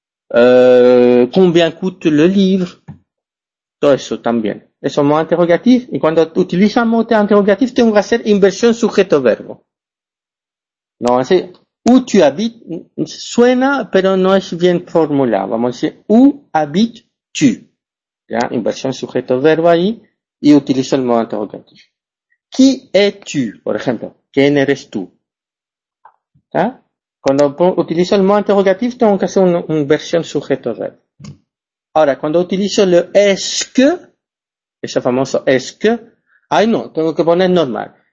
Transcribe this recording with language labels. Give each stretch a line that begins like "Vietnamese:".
French: Combien coûte le livre?
Spanish: Todo eso también. Es un modo interrogativo. Y cuando utilizas un modo interrogativo, tengo que hacer inversión sujeto-verbo. No, así,
French: où tu habites,
Spanish: suena, pero no es bien formulado. Vamos a decir,
French: où habites-tu?
Spanish: Ya, inversión sujeto-verbo ahí, y utilizo el modo interrogativo.
French: ¿Qui es-tu?
Spanish: Por ejemplo, ¿quién eres tú? ¿Ya? Cuando utilizo el modo interrogativo, tengo que hacer una inversión sujeto-verbo. Ahora, cuando utilizo el est-ce que, ese famoso est-ce que, ay no, tengo que poner normal.